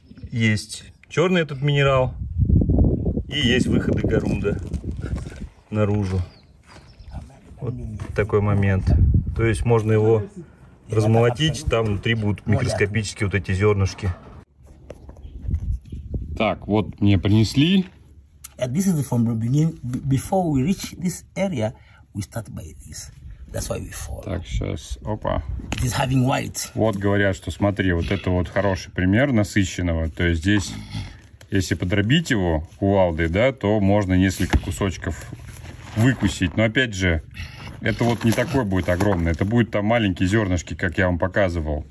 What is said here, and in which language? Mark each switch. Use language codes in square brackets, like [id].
[ru] Есть черный этот минерал. И есть выходы горунда наружу. Вот такой момент. То есть можно его размолотить, там внутри будут микроскопические вот эти зернышки. Так, вот мне принесли. [en] This is from the beginning. Before we reach this area, we start by this. That's why we fall. [ru] Так, сейчас, опа. [en] It is having white. [ru] Вот говорят, что смотри, вот это вот хороший пример насыщенного. То есть здесь, если подробить его кувалдой, да, то можно несколько кусочков выкусить. Но опять же, это вот не такое будет огромное. Это будут там маленькие зернышки, как я вам показывал.